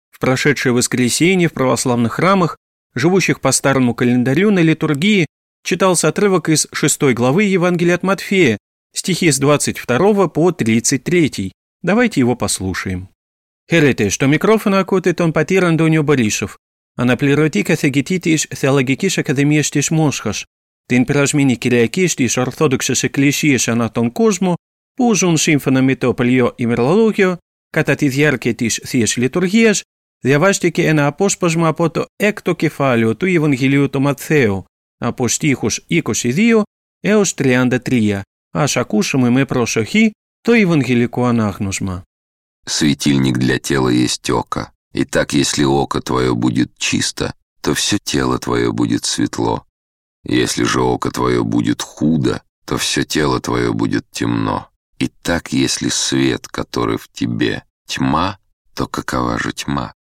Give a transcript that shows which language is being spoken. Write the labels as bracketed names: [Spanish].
[Russian] В прошедшее воскресенье в православных храмах, живущих по старому календарю на литургии, читался отрывок из 6 главы Евангелия от Матфея, стихи с 22 по 33. Давайте его послушаем. [Greek] Херете, что микрофон окутит он патир Антонио Борисов. Αναπληρωτή καθηγητή της Θεολογικής Ακαδημίας της Μόσχας, την περασμένη Κυριακή στις Ορθόδοξες Εκκλησίες ανά τον κόσμο, που ζουν σύμφωνα με το παλιό ημερολόγιο, κατά τη διάρκεια της Θείας Λειτουργίας, διαβάστηκε ένα απόσπασμα από το 6ο κεφάλαιο του Ευαγγελίου του Ματθαίου, από στίχους 22 έως 33. Ας ακούσουμε με προσοχή το Ευαγγελικό Ανάγνωσμα. [Russian] Светильник для тела есть око. Итак, если око твое будет чисто, то все тело твое будет светло. Если же око твое будет худо, то все тело твое будет темно. Итак, если свет, который в тебе, тьма, то какова же тьма?